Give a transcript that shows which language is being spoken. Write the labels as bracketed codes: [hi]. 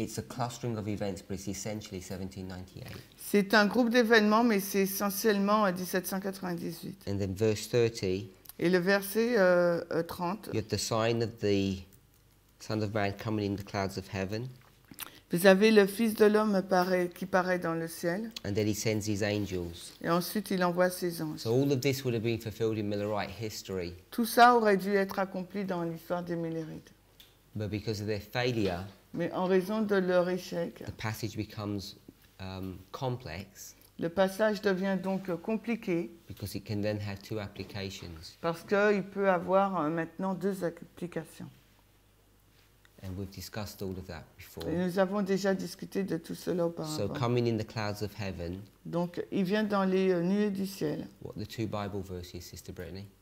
[en] It's a clustering of events, but it's essentially 1798. [fr] C'est un groupe d'événements, mais c'est essentiellement 1798. [en] And then verse 30. [fr] Et le verset 30. [en] You have the sign of the Son of Man coming in the clouds of heaven. [fr] Vous avez le Fils de l'homme qui paraît dans le ciel. [en] And then he sends his angels. [fr] Et ensuite, il envoie ses anges. [en] So all of this would have been fulfilled in Millerite history. [fr] Tout ça aurait dû être accompli dans l'histoire des Millerites. [en] But because of their failure, [fr] mais en raison de leur échec, [en] the passage becomes complex. [fr] Le passage devient donc compliqué. [en] Because it can then have two applications. [fr] Parce qu'il peut avoir maintenant deux applications. [en] And we've discussed all of that before. [fr] Et nous avons déjà discuté de tout cela auparavant. [en] So coming in the clouds of heaven. [fr] Donc, il vient dans les nuées du ciel. [en] What are the two Bible verses, Sister Brittany?